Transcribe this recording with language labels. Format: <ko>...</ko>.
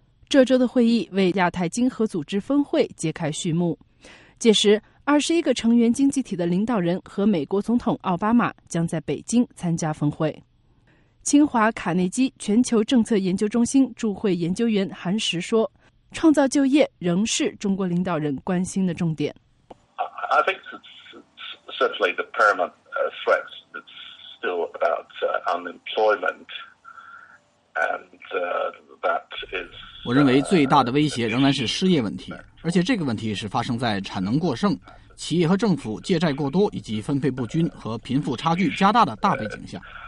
<zh>这周的会议为亚太经合组织峰会揭开序幕，届时21个成员经济体的领导人和美国总统奥巴马将在北京参加峰会。清华卡内基全球政策研究中心驻会研究员韩石说，创造就业仍是中国领导人关心的重点。</zh> <en>I think it's certainly the paramount threat is still about unemployment and that is...</en> <zh>我认为最大的威胁仍然是失业问题，而且这个问题是发生在产能过剩、企业和政府借债过多以及分配不均和贫富差距加大的大背景下。</zh>